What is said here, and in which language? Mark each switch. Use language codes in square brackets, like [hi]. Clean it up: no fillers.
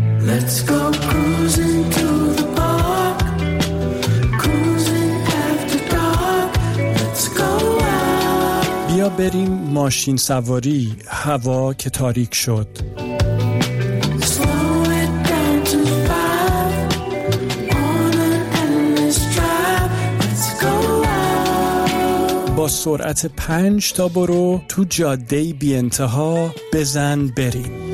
[en] Let's go cruising to the park, cruising after dark, let's go out. [fa] بیا بریم ماشین سواری، هوا که تاریک شد. [en] Slow it down to five, on an endless drive, let's go out. [fa] با سرعت 5 تا برو تو جاده بی انتها بزن بریم.